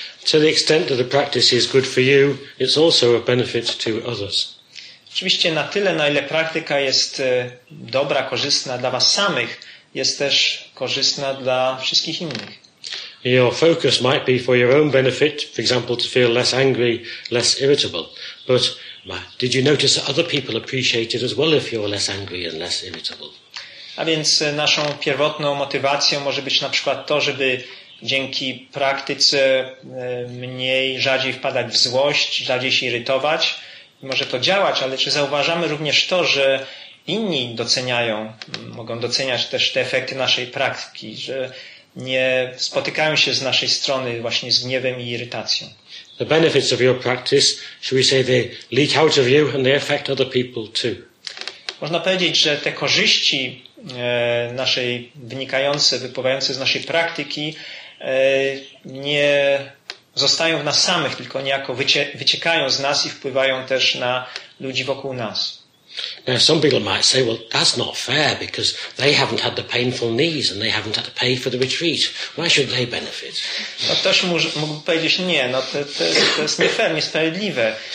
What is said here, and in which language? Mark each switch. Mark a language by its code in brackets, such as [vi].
[en] To the extent that the practice is good for you, it's also a benefit to others. [pl] Oczywiście na tyle, na ile praktyka jest dobra, korzystna dla was samych, jest też korzystna dla wszystkich innych. [en] Your focus might be for your own benefit, for example, to feel less angry, less irritable. But did you notice that other people appreciate it as well if you're less angry and less irritable? [pl] A więc naszą pierwotną motywacją może być na przykład to, żeby dzięki praktyce mniej, rzadziej wpadać w złość, rzadziej się irytować. Może to działać, ale czy zauważamy również to, że inni doceniają, mogą doceniać też te efekty naszej praktyki, że nie spotykają się z naszej strony właśnie z gniewem i irytacją. [en] The benefits of your practice, should we say, they leak out of you and they affect other people too. [pl] Można powiedzieć, że te korzyści naszej wynikające, wypływające z naszej praktyki nie zostają w nas samych, tylko niejako wyciekają z nas i wpływają też na ludzi wokół nas. [en] Now some people might say, well, that's not fair because they haven't had the painful knees and they haven't had to pay for the retreat. Why should they benefit? [pl] No ktoś mógłby powiedzieć, nie, no to jest nie fair, niesprawiedliwe.